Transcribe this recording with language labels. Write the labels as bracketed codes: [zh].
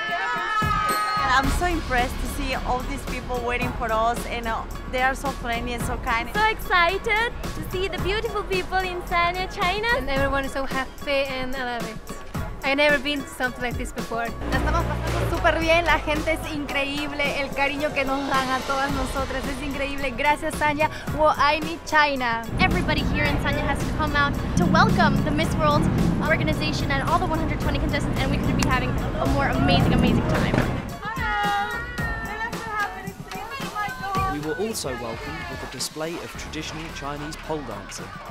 [en] And I'm so impressed to see all these people waiting for us, and they are so friendly and so kind. So excited to see the beautiful people in Sanya, China. And everyone is so happy, and I love it. I've never been to something like this before. [es] Estamos pasando súper bien, la gente es increíble, el cariño que nos dan a todas nosotras es increíble. Gracias, Sanya. [zh] Wo'aini [es] China. [en] Everybody here in Sanya has to come out to welcome the Miss World organization and all the 120 contestants, and we could be having a more amazing, amazing time. We were also welcomed with a display of traditional Chinese pole dancing.